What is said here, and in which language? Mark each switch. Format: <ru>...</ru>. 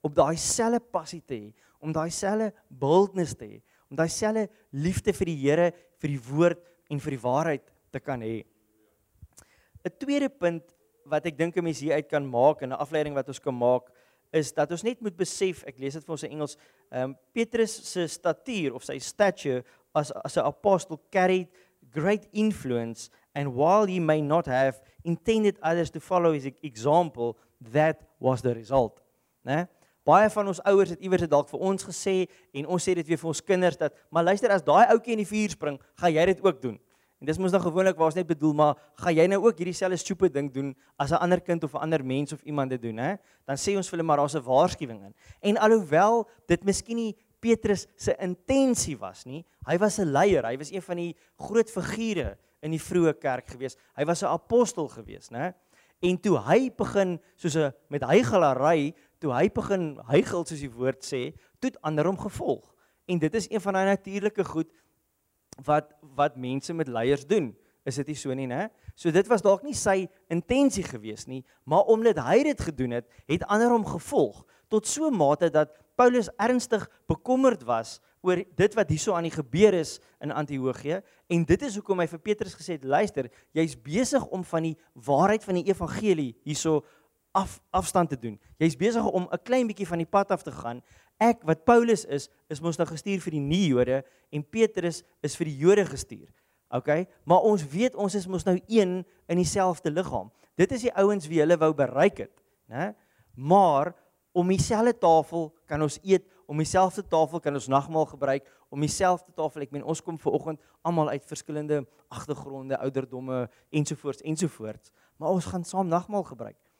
<af>Op daai selfde passie te hê, om daai selfde bildnis te hê, om daai selfde liefde vir die Here, vir die woord en vir die waarheid te kan hê. 'n Tweede punt wat ek dink 'n mens hier uit kan maak en 'n afleiding wat ons kan maak, is dat ons net moet besef, ek lees dit vir ons in Engels, Petrus se statuur of sy stature as 'n apostel</af> <en>carried great influence And while he may not have intended others to follow his example, that was the result.</en> <af>Né? Baie van ons ouers het iewers dalk vir ons gesê, en ons sê dit weer vir ons kinders, dat, maar luister, as daai ouetjie in die vuur spring, ga jy dit ook doen. En dis moes dan gewoonlik waar's net bedoel, maar ga jy nou ook hierdie selfe stupid ding doen as 'n ander kind of 'n ander mens of iemand dit doen, hè? Dan sê ons vir hulle maar daar's 'n waarskuwing in. En alhoewel dit miskien nie Petrus se intensie was nie, hy was 'n leier, hy was een van die groot figure in die vroeë kerk gewees. Hy was 'n apostel gewees, né? En toe hy begin soos 'n met heigelary, toe hy begin heigel soos die woord sê, toe het ander hom gevolg. En dit is een van die natuurlike goed wat mense met leiers doen, is dit nie so nie, ne? So dit was dalk nie sy intentie gewees nie, maar omdat hy dit gedoen het, het ander hom gevolg, tot so mate dat Paulus ernstig bekommerd was oor dit wat hierso aan die gebeur is in Antiochië, en dit is hoekom hy vir Petrus gesê het, luister, jy is besig om van die waarheid van die evangelie hierso afstand te doen, jy is besig om 'n klein bietjie van die pad af te gaan. Ek, wat Paulus is, is ons nou gestuur vir die nie-Jode, en Petrus is vir die Jode gestuur. Ok, maar ons weet, ons is ons nou een in dieselfde liggaam. Dit is die ouens wie hulle wou bereik het, ne? Maar om dieselfde tafel kan ons eet, om dieselfde tafel kan ons nagmaal gebruik, om dieselfde tafel, ek meen, ons kom vanoggend allemaal uit verskillende agtergronde, ouderdomme, ensovoorts, ensovoorts, maar ons gaan saam nagmaal gebruik.</af>